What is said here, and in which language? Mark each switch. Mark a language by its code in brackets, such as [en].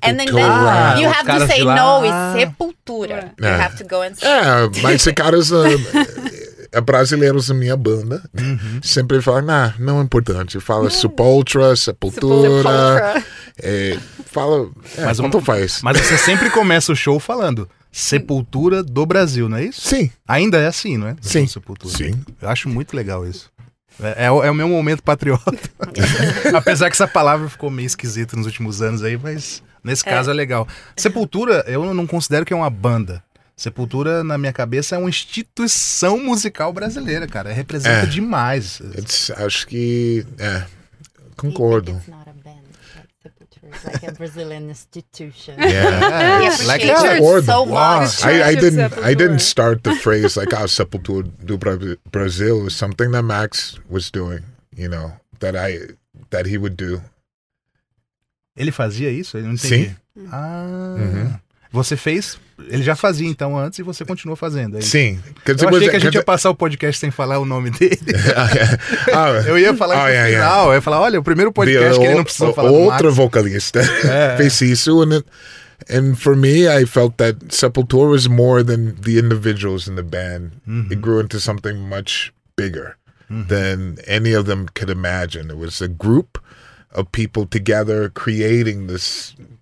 [en] And then you have to say no, it's Sepultura. Yeah. You have to go and say. [pt] Yeah, mas esse cara é brasileiros da minha banda, uhum. sempre falam, nah, não é importante, fala Sepultura, Sepultura, é, fala, mas quanto faz. Mas você sempre começa o show falando Sepultura do Brasil, não é isso? Sim. Ainda é assim, não é? Sim. Sepultura. Sim. Eu acho muito legal isso. É o meu momento patriota. Apesar que essa palavra ficou meio esquisita nos últimos anos aí, mas nesse caso é legal. Sepultura, eu não considero que é uma banda. Sepultura, na minha cabeça, é uma instituição musical brasileira, cara. Representa demais. Acho que... É, concordo. [en] Like a Brazilian institution. Yeah. Yeah. Like, it's so wow. I didn't start the phrase like, ah, Sepultura do Brasil. It was something that Max was doing, you know, that he would do. [pt] Ele fazia isso? Eu não entendi. Sim. Ah... Mm-hmm. Você fez, ele já fazia então antes e você continua fazendo. Aí. Sim. Eu achei que a gente ia passar o podcast sem falar o nome dele. Eu ia falar no final, eu ia falar, olha, o primeiro podcast que ele não precisou falar. Outro vocalista fez isso. [en] And for me, I felt that Sepultura was more than the individuals in the band. Uh-huh. It grew into something much bigger than any of them could imagine. It was a group of people together creating this...